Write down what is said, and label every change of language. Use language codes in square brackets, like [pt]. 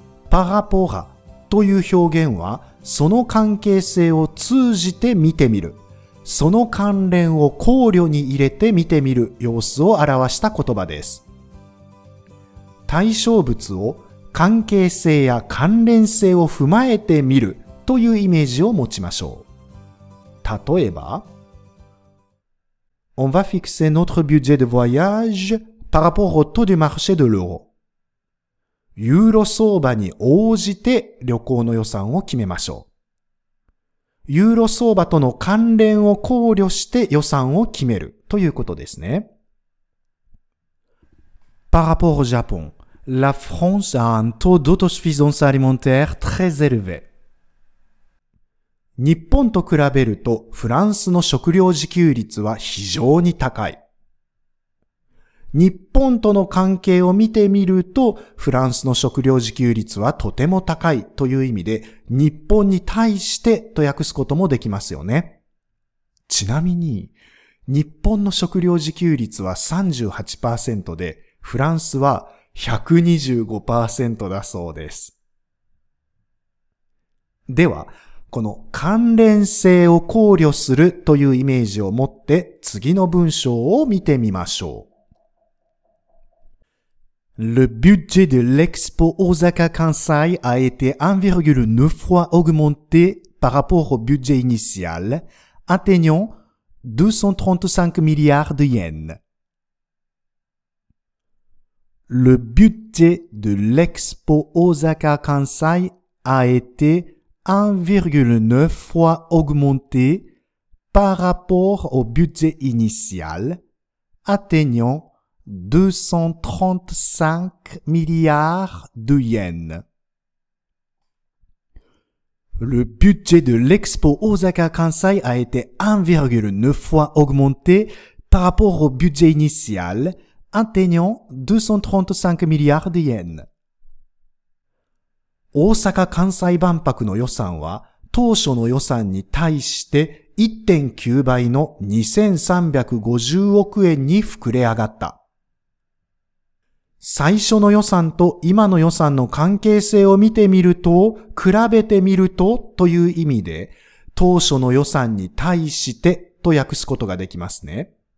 [ja] パラポラという表現は、その関係性を通じて見てみる、その関連を考慮に入れて見てみる様子を表した言葉です。対象物を関係性や関連性を踏まえてみるというイメージを持ちましょう。例えば、 [fr] On va fixer notre budget de voyage par rapport au taux du marché de l'euro. [ja] ユーロ相場に応じて旅行の予算を決めましょう。ユーロ相場との関連を考慮して予算を決めるということですね。 [fr] Par rapport au Japon, la France a un taux d'autosuffisance alimentaire très élevé. [ja] 日本と比べるとフランスの食料自給率は非常に高い。日本との関係を見てみると、フランスの食料自給率はとても高いという意味で、日本に対してと訳すこともできますよね。ちなみに、日本の食料自給率は 38% で、フランスは 125% だそうです。では、この関連性を考慮するというイメージを持って、次の文章を見てみましょう。 [fr] Le budget de l'expo Osaka-Kansai a été 1,9 fois augmenté par rapport au budget initial, atteignant 235 milliards de yens. Le budget de l'expo Osaka-Kansai a été 1,9 fois augmenté par rapport au budget initial, atteignant 235 milliards de yens. Le budget de l'expo Osaka-Kansai a été 1,9 fois augmenté par rapport au budget initial, atteignant 235 milliards de yens. [ja] 大阪・関西万博の予算は当初の予算に対して 1.9 倍の2350億円に膨れ上がった。最初の予算と今の予算の関係性を見てみると、比べてみるとという意味で、当初の予算に対してと訳すことができますね。